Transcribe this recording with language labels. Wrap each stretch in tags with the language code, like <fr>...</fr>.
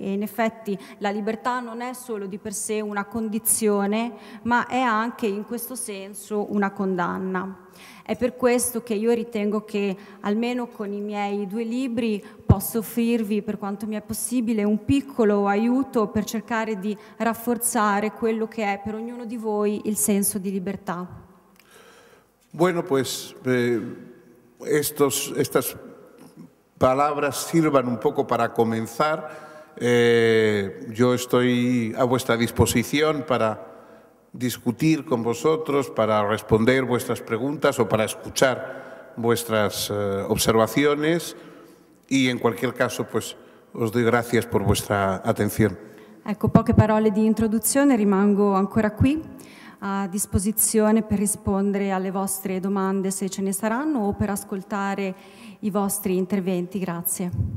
<it>E in effetti la libertà non è solo di per sé una condizione, ma è anche in questo senso una condanna. È per questo che io ritengo che almeno con i miei due libri posso offrirvi, per quanto mi è possibile, un piccolo aiuto per cercare di rafforzare quello che è per ognuno di voi il senso di libertà.</it> <es>Bueno, pues estas palabras sirvan un poco para comenzar. Yo estoy a vuestra disposición para discutir con vosotros, para responder vuestras preguntas o para escuchar vuestras observaciones, y en cualquier caso pues os doy gracias por vuestra atención.</es> <it>Ecco, poche parole di introduzione, rimango ancora qui a disposizione per rispondere alle vostre domande se ce ne saranno o per ascoltare i vostri interventi. Grazie.</it>